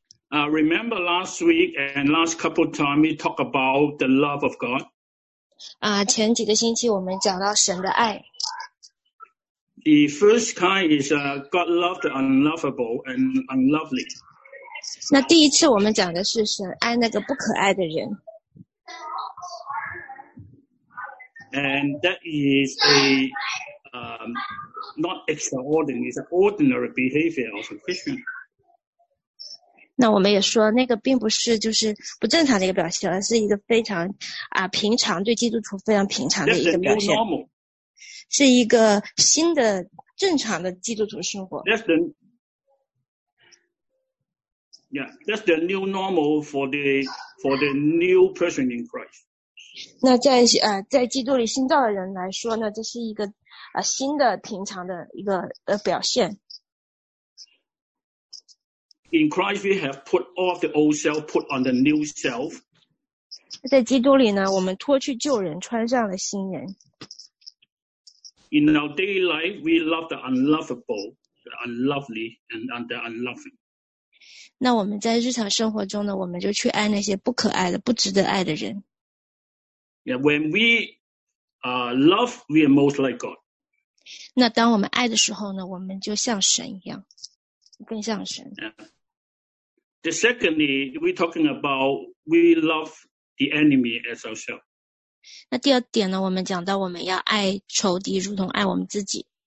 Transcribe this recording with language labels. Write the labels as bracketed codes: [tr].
[en] Remember last week and last couple of time we talked about the love of God. [zh] 啊，前几个星期我们讲到神的爱。 [en] The first kind is God loved the unlovable and unlovely. [zh] 那第一次我们讲的是神爱那个不可爱的人。 [en] And that is a not extraordinary, it's an ordinary behavior of a Christian. [zh] 那我们也说那个并不是就是不正常的一个表现，而是一个非常平常，对基督徒非常平常的一个表现。 [en] That's the new normal. [zh] 是一个新的正常的基督徒生活。 [en] That's the new normal for the new person in Christ. [zh] 那在基督里新造的人来说呢，这是一个新的平常的一个表现。 [en] In Christ, we have put off the old self, put on the new self. [zh] 在基督里呢，我们脱去旧人，穿上了新人。 [en] In our daily life, we love the unlovable, the unlovely, and the unloving. [zh] 那我们在日常生活中呢，我们就去爱那些不可爱的、不值得爱的人。 [en] Yeah, when we love, we are most like God. [zh] 那当我们爱的时候呢，我们就像神一样，更像神。 [en] Yeah. The secondly, we're talking about we love the enemy as ourselves. [zh] 那第二点呢，我们讲到我们要爱仇敌如同爱我们自己。